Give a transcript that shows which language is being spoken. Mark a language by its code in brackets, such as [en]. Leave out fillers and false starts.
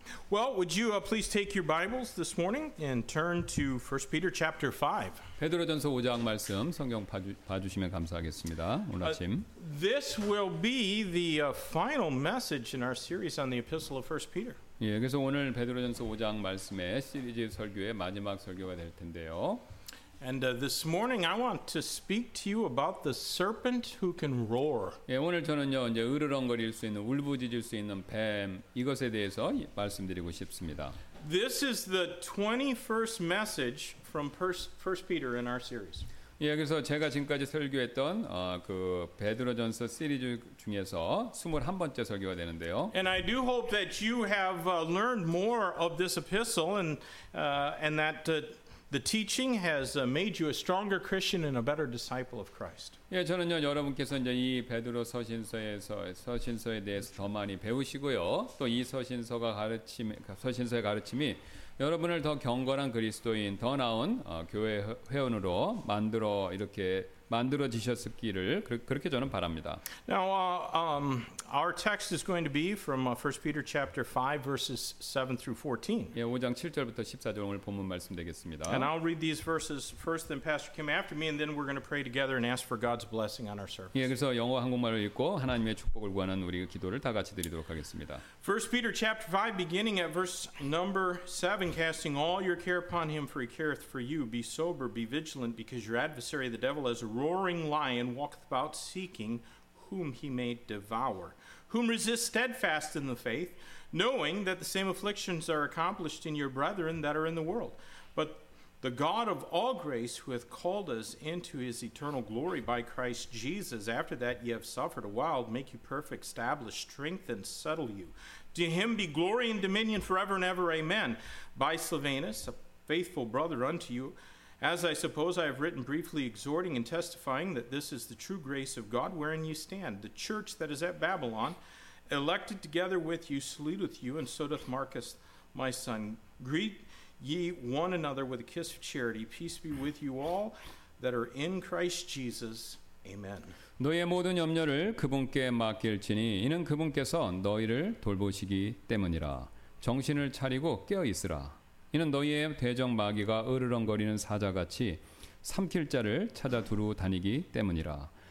[en] Well, would you please take your Bibles this morning and turn to 1 Peter chapter 5. [ko] 베드로전서 5장 말씀 성경 봐주시면 감사하겠습니다. 오늘 아침. [en] This will be the final message in our series on the Epistle of 1 Peter. [ko] 예, 그래서 오늘 베드로전서 5장 말씀의 시리즈 설교의 마지막 설교가 될 텐데요. [en] And this morning I want to speak to you about the serpent who can roar. [ko] 예, 오늘 저는요 이제 으르렁거릴 수 있는 울부짖을 수 있는 뱀 이것에 대해서 말씀드리고 싶습니다. [en] This is the 21st message from 1 Peter in our series. [ko] 예, 그래서 제가 지금까지 설교했던 그 베드로전서 시리즈 중에서 21번째 설교가 되는데요. [en] And I do hope that you have learned more of this epistle and that the teaching has made you a stronger Christian and a better disciple of Christ. [ko] 예, 저는요 여러분께서 이제 이 베드로 서신서에 대해서 더 많이 배우시고요. 또 이 서신서의 가르침이 여러분을 더 경건한 그리스도인, 더 나은 교회 회원으로 만들어 주셨기를 그렇게 저는 바랍니다. [en] Now our text is going to be from 1 Peter chapter 5 verses 7 through 14. [ko] 예, 5장 7절부터 14절 오늘 본문 말씀 되겠습니다. [en] And I'll read these verses first then Pastor Kim after me and then we're going to pray together and ask for God's blessing on our service. [ko] 예, 그래서 영어 한국말로 읽고 하나님의 축복을 구하는 우리 기도를 다 같이 드리도록 하겠습니다. [en] 1 Peter chapter 5 beginning at verse number 7 casting all your care upon him for he careth for you be sober be vigilant because your adversary the devil as a roaring lion walketh about seeking whom he may devour, whom resist steadfast in the faith, knowing that the same afflictions are accomplished in your brethren that are in the world. But the God of all grace, who hath called us into his eternal glory by Christ Jesus, after that ye have suffered a while, make you perfect, establish, strengthen, settle you. To him be glory and dominion forever and ever. Amen. By Silvanus, a faithful brother unto you, as I suppose I have written briefly, exhorting and testifying that this is the true grace of God wherein you stand, the church that is at Babylon, elected together with you, saluteth you, and so doth Marcus, my son. Greet ye one another with a kiss of charity. Peace be with you all that are in Christ Jesus. Amen. [ko] 너희의 모든 염려를 그분께 맡길지니 이는 그분께서 너희를 돌보시기 때문이라. 정신을 차리고 깨어 있으라. 이는 너희의 대적 마귀가 으르렁거리는 사자같이 삼킬 자를 찾아 두루 다니기 때문이라.